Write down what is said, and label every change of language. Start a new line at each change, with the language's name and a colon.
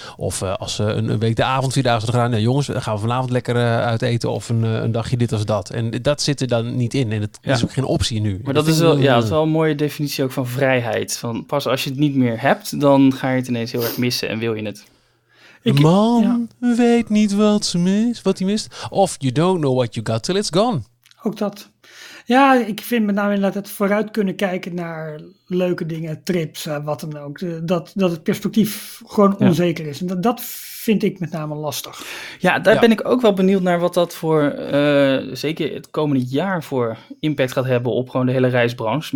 Dutch: Of als ze een week de avond vierdaags hadden gedaan. Nou, jongens, gaan we vanavond lekker uit eten. Of een dagje dit of dat. En dat zit er dan niet in. En het is ook geen optie nu. Maar dat is wel een mooie definitie ook van vrijheid. Van pas als je het niet meer hebt, dan ga je het ineens heel erg missen. En wil je het. Een man weet niet wat hij mist.
English: Of you don't know what you got till it's gone.
Dutch: Ook dat. Ja, ik vind met name inderdaad het vooruit kunnen kijken naar leuke dingen, trips, wat dan ook. Dat het perspectief gewoon onzeker is. En dat vind ik met name lastig. Ja, daar ben ik ook wel benieuwd naar wat dat voor, zeker het komende jaar, voor impact gaat hebben op gewoon de hele reisbranche.